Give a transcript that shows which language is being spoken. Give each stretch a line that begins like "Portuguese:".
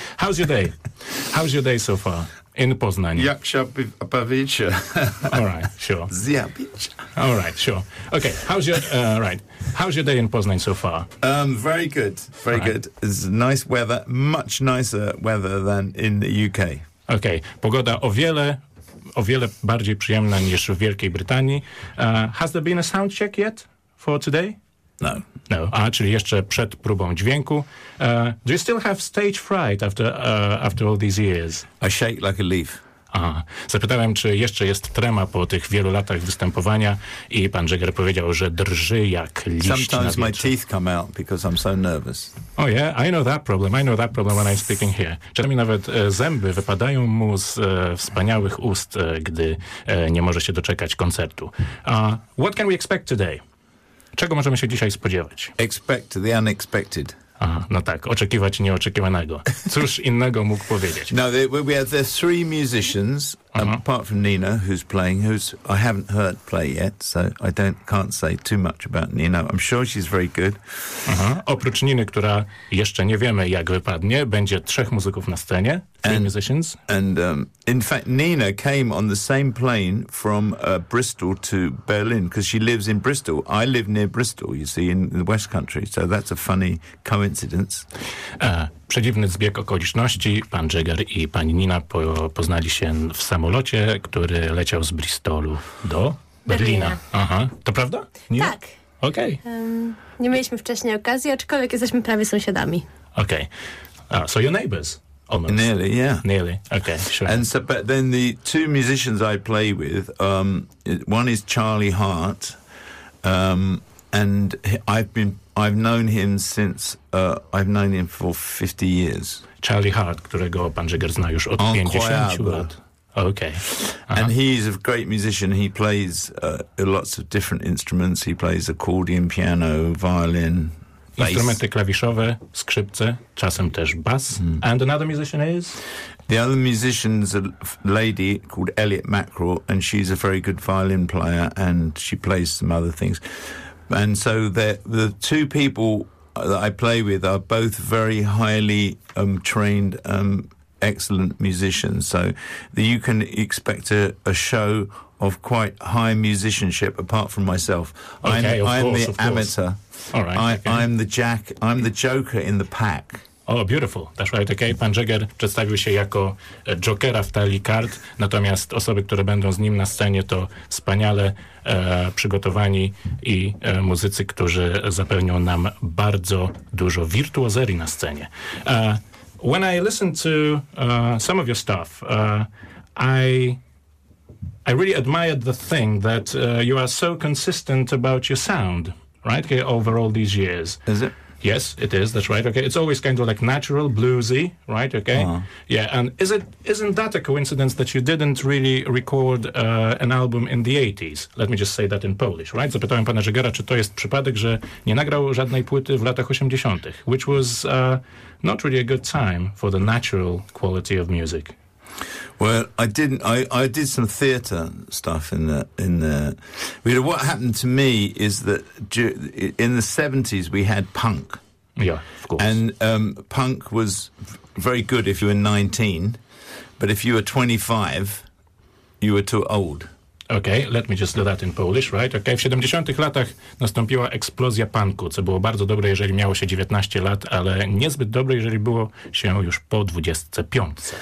English: How's your day so far in Poznań?
Polish: Jak się bawicie?
English: All right, sure. Zjabicie. All right, sure. Okay, how's your day in Poznań so far? Very good, very right. good. It's nice weather, much nicer weather than in the UK.
Polish: Okay, pogoda o wiele bardziej przyjemna niż w Wielkiej Brytanii.
English: Has there been a sound check yet for today? No.
Polish: A, czyli jeszcze przed próbą dźwięku.
English: Do you still have stage fright after all these years? I shake like a leaf. Aha.
Polish: Zapytałem, czy jeszcze jest trema po tych wielu latach występowania i pan Jagger powiedział, że drży jak liść
English: Sometimes
Polish: na wietrze.
English: Sometimes my teeth come out because I'm so nervous. Oh yeah, I know that problem when I'm speaking here.
Polish: Czasami nawet zęby wypadają mu z wspaniałych ust, gdy nie może się doczekać koncertu.
English: What can we expect today?
Polish: Czego możemy się dzisiaj spodziewać?
English: Expect the unexpected.
Polish: Aha, no tak, oczekiwać nieoczekiwanego. Cóż innego mógł powiedzieć?
English: No, there are three musicians, apart from Nina, who's playing, who's I haven't heard play yet, so I can't say too much about Nina. I'm sure she's very good. Aha.
Polish: Oprócz Niny, która jeszcze nie wiemy, jak wypadnie, będzie trzech muzyków na scenie, musicians.
English: And in fact, Nina came on the same plane from Bristol to Berlin, because she lives in Bristol. I live near Bristol, you see, in the West Country, so that's a funny coincidence.
Polish: Przedziwny zbieg okoliczności. Pan Jagger i pani Nina poznali się w samolocie, który leciał z Bristolu do Berlina. Aha. To prawda? Nie? Tak. Okej.
English: Okay.
Polish: Nie mieliśmy wcześniej okazji, aczkolwiek jesteśmy prawie sąsiadami.
English: Okej. Okay. So your neighbors? Almost. Nearly, yeah. Nearly. Okay, sure. And so, but then the two musicians I play with, one is Charlie Hart, and I've known him for 50 years.
Polish: Charlie Hart, którego pan Jagger zna już od 50 lat.
English: Okay. Uh-huh. And he's a great musician. He plays lots of different instruments. He plays accordion, piano, violin, bass.
Polish: Instrumenty klawiszowe, skrzypce, czasem też bas. Mm.
English: And another musician is? The other musician's a lady called Elliot Mackerel, and she's a very good violin player, and she plays some other things. And so the two people that I play with are both very highly trained, excellent musicians. So you can expect a show of quite high musicianship, apart from myself. Okay, I'm the amateur. All right, I'm the jack. I'm the joker in the pack. Oh, beautiful. That's right, okay.
Polish: Pan Jagger przedstawił się jako jokera w talii kart, natomiast osoby, które będą z nim na scenie, to wspaniale przygotowani i muzycy, którzy zapewnią nam bardzo dużo wirtuozerii na scenie.
English: When I listen to some of your stuff, I really admired the thing that you are so consistent about your sound, right, okay, over all these years. Is it? Yes, it is. That's right. Okay, it's always kind of like natural, bluesy, right? Okay. Uh-huh. Yeah, and isn't that a coincidence that you didn't really record an album in the 80s? Let me just say that in Polish, right?
Polish: Zapytałem pana Jaggera, czy to jest przypadek, że nie nagrał żadnej płyty w latach 80-tych, which was not really a good time for the natural quality of music.
English: Well, I didn't. I did some theater stuff in the. You know, what happened to me is that in the 70s we had punk. Yeah, of course. And punk was very good if you were 19, but if you were 25, you were too old. Okay, let me just do that in Polish, right?
Polish: Okay, w 70-tych latach nastąpiła eksplozja punku, co było bardzo dobre, jeżeli miało się 19 lat, ale niezbyt dobre, jeżeli było się już po 25.